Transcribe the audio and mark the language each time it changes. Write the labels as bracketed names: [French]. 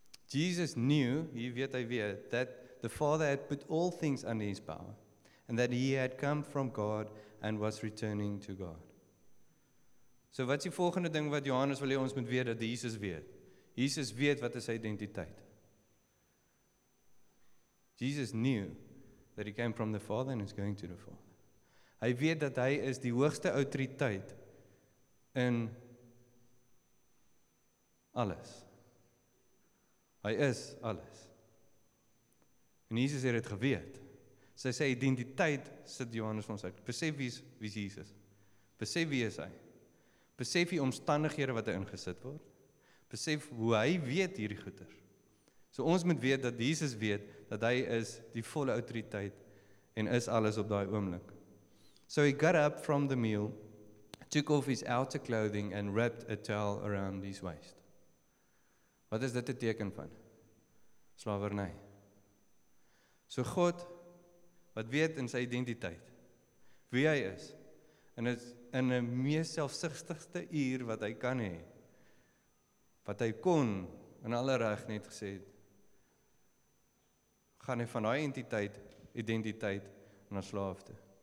[English] Jesus knew, [Afrikaans] hy weet, [English] that the Father had put all things under his power, and that he had come from God and was returning to God. [Afrikaans] So wat is die volgende ding wat Johannes wil hê ons moet weet, dat Jesus weet? Jesus weet wat is sy identiteit. [English] Jesus knew that he came from the Father and is going to the Father. [Afrikaans] Hy weet dat hy is die hoogste autoriteit in alles. Hy is alles. En Jesus het dit geweet. Sy sê identiteit sit Johannes van ons uit. Besef wie is Jesus. Besef wie is hy. Besef die omstandighede wat hy ingesit word. Besef hoe hy weet hierdie goeders. So ons moet weet dat Jesus weet dat hy is die volle autoriteit en is alles op daai oomblik. [English] So he got up from the meal, took off his outer clothing and wrapped a towel around his waist. [Afrikaans] Wat is dit 'n teken van? Slawerny. So God, wat weet in sy identiteit, wie hy is, en is in die mees selfsugtigste uur wat hy kan hê, wat hy kon, in alle reg net gesê het, gaan hy van daai identiteit na slaaf toe.